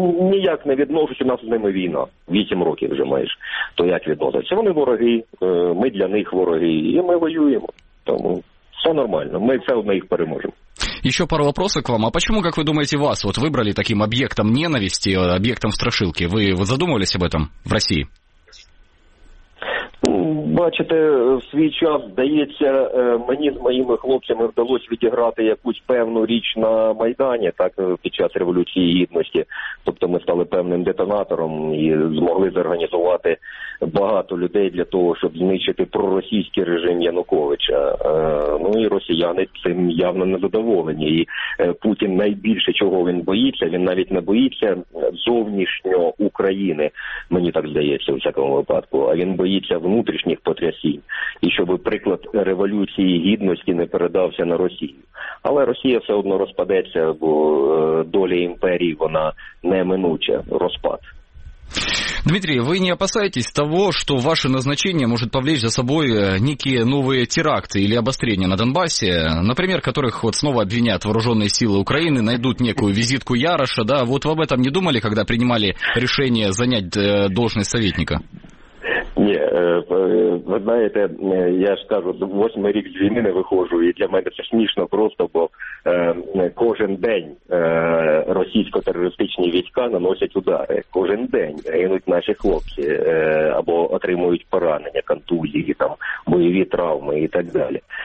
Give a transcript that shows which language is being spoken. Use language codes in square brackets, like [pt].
[uk] Ніяк не відношуся, у нас з ними війна. 8 років вже майже. То як відноситься? Вони вороги, ми для них вороги, і ми воюємо. Тому все нормально, ми все одно їх переможемо. [ru] Еще пару вопросов к вам. А почему, как вы думаете, вас вот выбрали таким объектом ненависти, объектом страшилки? Вы задумывались об этом в России? [uk] Бачите, в свій час, здається, мені з моїми хлопцями вдалося відіграти якусь певну річ на Майдані, так, під час Революції Гідності. Тобто ми стали певним детонатором і змогли зорганізувати багато людей для того, щоб знищити проросійський режим Януковича. Ну і росіяни цим явно не задоволені. І Путін найбільше чого він боїться, він навіть не боїться зовнішнього України, мені так здається, у всякому випадку, а він боїться внутрішніх потрясінь. І щоб, приклад, Революції Гідності не передався на Росію. Але Росія все одно розпадеться, бо доля імперії, вона неминуча, розпад. [ru] Дмитрий, вы не опасаетесь того, что ваше назначение может повлечь за собой некие новые теракты или обострения на Донбассе, например, которых вот снова обвинят вооруженные силы Украины, найдут некую визитку Яроша, да? Вот вы об этом не думали, когда принимали решение занять должность советника? [uk] Ні, ви знаєте, я ж кажу, 8-й рік з війни не виходжу, і для мене це смішно просто, бо кожен день російсько-терористичні війська наносять удари. Кожен день гинуть наші хлопці або отримують поранення, контузії, там, бойові травми і так далі.